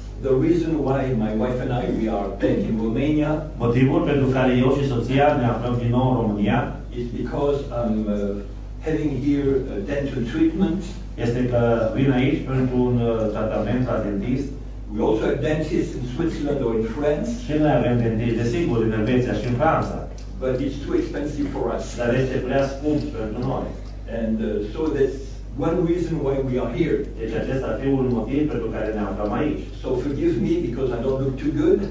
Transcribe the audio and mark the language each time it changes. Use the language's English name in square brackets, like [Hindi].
[English] The reason why my wife and I we are back in Romania. [Romanian] Motivul pentru care eu și soția ne aflăm din nou în România. [English] Is because I'm having here a dental treatment. [Romanian] Este că vin aici pentru un tratament la dentist. [English] We also have dentists in Switzerland or in France. [Romanian] Și noi avem dentist de sigur în Elveția și în Franța. [English] But it's too expensive for us. [Romanian] Dar este prea scump pentru noi. [English] And so that's one reason why we are here. [Romanian] Deci acesta ar fi un motiv pentru care ne aflăm aici. [English] So forgive me because I don't look too good.